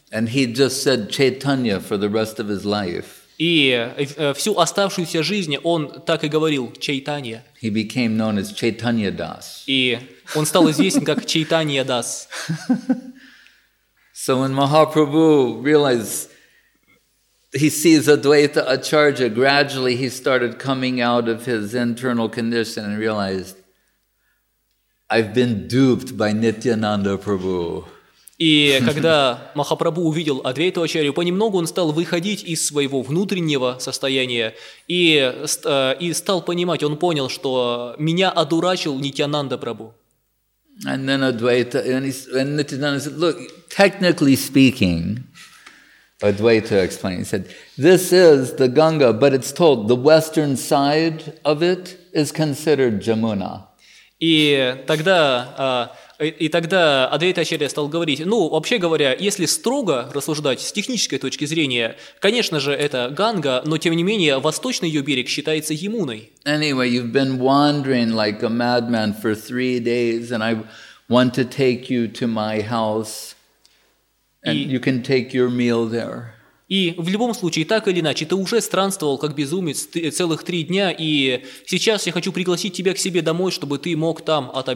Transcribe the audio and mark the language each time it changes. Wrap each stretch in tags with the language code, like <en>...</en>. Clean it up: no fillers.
<en>And he just said Chaitanya for the rest of his life.</en> <ru>И всю оставшуюся жизнь он так и говорил, Чайтанья.</ru> <en>He became known as Chaitanya Das.</en> <ru>И он стал известен как Чайтанья Дас.</ru> <en>So when Mahaprabhu realized He sees Advaita Acharya. Gradually, he started coming out of his internal condition and realized, I've been duped by Nityananda Prabhu.</en> <ru>И когда Махапрабху увидел Адвайту Ачарью, понемногу он стал выходить из своего внутреннего состояния и стал понимать, он понял, что меня одурачил Нитьянанда Прабху.</ru> <en>And then Advaita, and Nityananda said, look, technically speaking, Advaita explained, he said, this is the Ganga, but it's told the western side of it is considered Jamuna.</en> <ru>И тогда Адвайта Ачарья стал говорить, ну, вообще говоря, если строго рассуждать с технической точки зрения, конечно же, это Ганга, но тем не менее, восточный ее берег считается Ямуной.</ru> <en>Anyway, you've been wandering like a madman for 3 days, and I want to take you to my house, and you can take your meal there.</en> <ru>И в любом случае, так или иначе, ты уже странствовал как безумец целых 3 дня, и сейчас я хочу пригласить тебя к себе домой, чтобы ты мог там</ru>